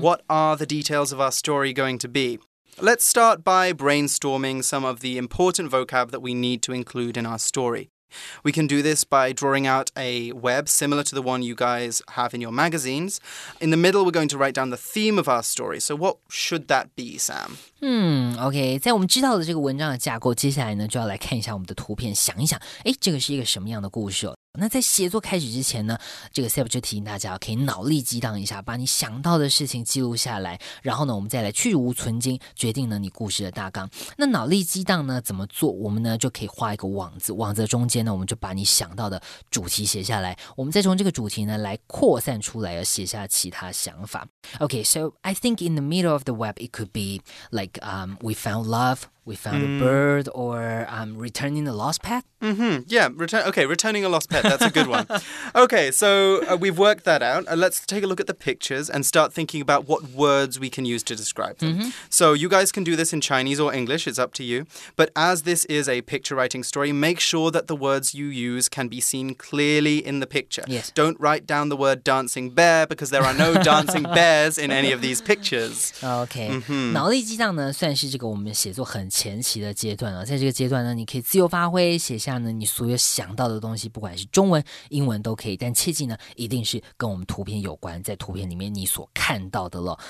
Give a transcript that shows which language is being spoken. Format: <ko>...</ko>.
<en>What are the details of our story going to be? Let's start by brainstorming some of the important vocab that we need to include in our story. We can do this by drawing out a web similar to the one you guys have in your magazines. In the middle, we're going to write down the theme of our story. So what should that be, Sam?</en> <zh>OK, 在我们知道的这个文章的架构，接下来呢就要来看一下我们的图片，想一想，哎，这个是一个什么样的故事哦？那在写作开始之前呢，这个 Seb 就提醒大家，可以脑力激荡一下，把你想到的事情记录下来，然后呢我们再来去无存精，决定呢你故事的大纲。那脑力激荡呢怎么做？我们呢就可以画一个网子，网子的中间呢我们就把你想到的主题写下来，我们再从这个主题呢来扩散出来，要写下其他想法。</zh> <en>OK, so I think in the middle of the web it could be likeWe found love, we found a bird, or returning a lost pet? Mm-hmm. Yeah, returning a lost pet, that's a good one. Okay, so we've worked that out. Let's take a look at the pictures and start thinking about what words we can use to describe them. Mm-hmm. So you guys can do this in Chinese or English, it's up to you. But as this is a picture writing story, make sure that the words you use can be seen clearly in the picture. Yes. Don't write down the word dancing bear, because there are no dancing bears in any of these pictures. Okay. Mm-hmm.</en> <zh>脑力激荡呢，算是这个我们写作很前期的阶段了。在这个阶段呢，你可以自由发挥，写下呢你所有想到的东西，不管是中文、英文都可以。但切记呢，一定是跟我们图片有关，在图片里面你所看到的了。</zh>